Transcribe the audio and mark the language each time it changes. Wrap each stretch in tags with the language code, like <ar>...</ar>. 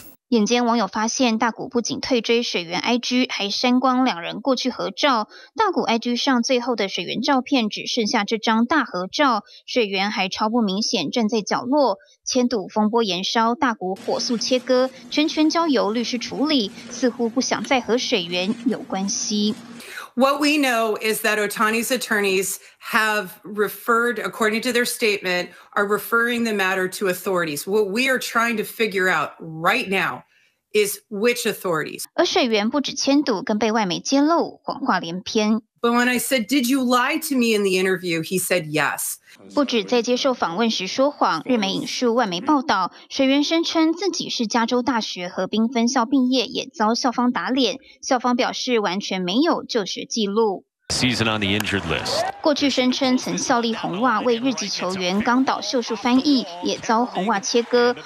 <zh>眼尖网友发现，大谷不仅退追水原 IG， 还删光两人过去合照。大谷 IG 上最后的水原照片只剩下这张大合照，水原还超不明显站在角落。千堵风波延烧，大谷火速切割，全权交由律师处理，似乎不想再和水原有关系。</zh> <en>What we know is that Ohtani's attorneys have referred, according to their statement, are referring the matter to authorities. What we are trying to figure out right now is which authorities.</en> <zh>而水原不止千堵，更被外媒揭露谎话连篇。</zh> <en>But when I said, "Did you lie to me in the interview?" he said, "Yes."</en> <zh>不止在接受访问时说谎，日媒引述外媒报道，水原声称自己是加州大学河滨分校毕业，也遭校方打脸。校方表示完全没有就学记录。</zh> <en>Season on the injured list.</en> <zh>过去声称曾效力红袜，为日籍球员冈岛秀树翻译，也遭红袜切割。</zh>